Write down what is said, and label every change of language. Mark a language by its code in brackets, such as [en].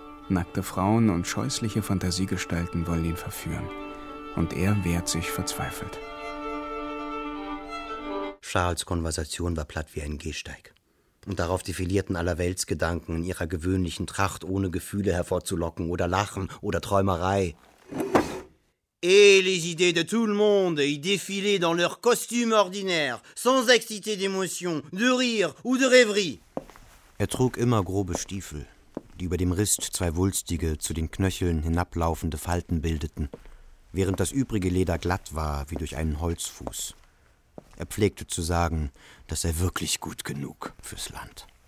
[de] Nackte Frauen und scheußliche Fantasiegestalten wollen ihn verführen. Und er wehrt sich verzweifelt. Charles' Konversation war platt wie ein Gehsteig. Und darauf defilierten aller Weltsgedanken in ihrer gewöhnlichen Tracht, ohne Gefühle hervorzulocken oder Lachen oder Träumerei. [fr] Et les idées de tout le monde y défilaient dans leur costume ordinaire, sans exciter d'émotion, de rire ou de rêverie. [de] Er trug immer grobe Stiefel, die über dem Rist zwei wulstige, zu den Knöcheln hinablaufende Falten bildeten, während das übrige Leder glatt war wie durch einen Holzfuß. Er pflegte zu sagen, das sei wirklich gut genug fürs Land.